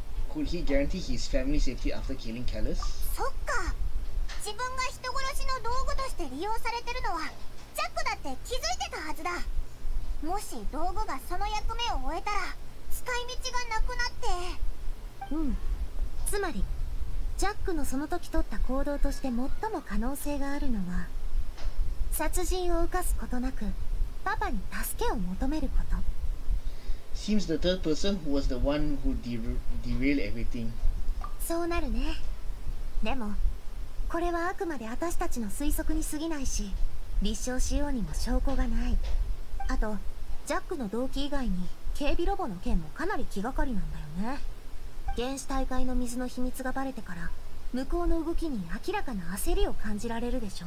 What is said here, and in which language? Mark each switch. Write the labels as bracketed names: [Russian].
[English] Could he guarantee his family safety after killing Kallus? [Japanese] そっか、自分が人殺しの道具として利用されてるのはジャックだって気づいてたはずだ。もし道具がその役目を終えたら使い道がなくなって、うん、つまりジャックのその時取った行動として最も可能性があるのは殺人を犯すことなくパパに助けを求めること。 [English] Seems the third person was the one who derailed everything. [Japanese] そうなるね。でも、これはあくまで私たちの推測に過ぎないし、立証しようにも証拠がない。あと、ジャックの動機以外に警備ロボの件もかなり気がかりなんだよね。原始大会の水の秘密がバレてから、向こうの動きに明らかな焦りを感じられるでしょ？